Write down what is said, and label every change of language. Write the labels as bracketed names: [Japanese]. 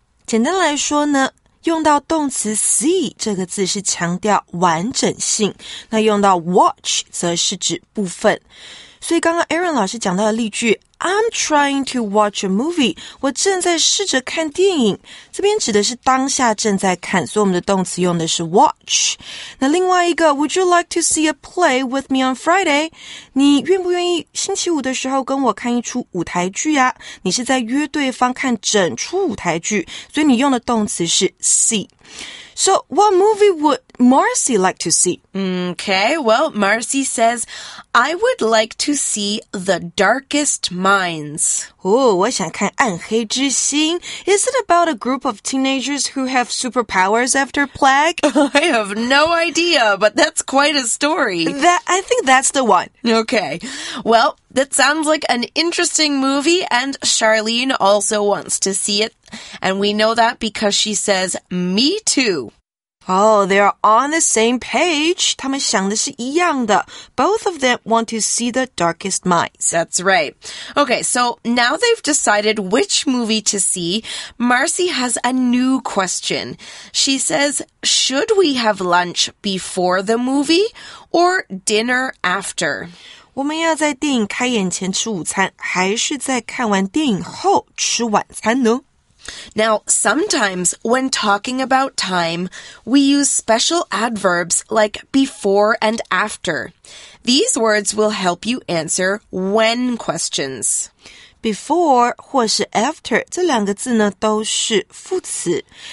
[Chinese] 简单来说呢，用到动词 see 这个字是强调完整性，那用到 watch 则是指部分。所以刚刚 Aaron 老师讲到的例句 [English] I'm trying to watch a movie [Chinese] 我正在试着看电影，这边指的是当下正在看，所以我们的动词用的是 watch。那另外一个 [English] Would you like to see a play with me on Friday? [Chinese] 你愿不愿意星期五的时候跟我看一出舞台剧啊？你是在约对方看整出舞台剧，所以你用的动词是 see。 [English] So, what movie would Marcy like to see? Okay, well, Marcy says, I would like to see The Darkest Minds. Oh, 我想看暗黑之心。 Is it about a group of teenagers who have superpowers after plague? I have no idea, but that's quite a story. I think that's the one. Okay, well, that sounds like an interesting movie, and Charlene also wants to see it. And we know that because she says, me too. Oh, they're on the same page. [Chinese] 他们想的是一样的。 [English] Both of them want to see The Darkest Minds. That's right. Okay, so now they've decided which movie to see. Marcy has a new question. She says, should we have lunch before the movie or dinner after? 我们要在电影开演前吃午餐，还是在看完电影后吃晚餐呢？ Now, sometimes when talking about time, we use special adverbs like before and after. These words will help you answer when questions. [Chinese] Before 或是 after, 这两个字呢都是副词。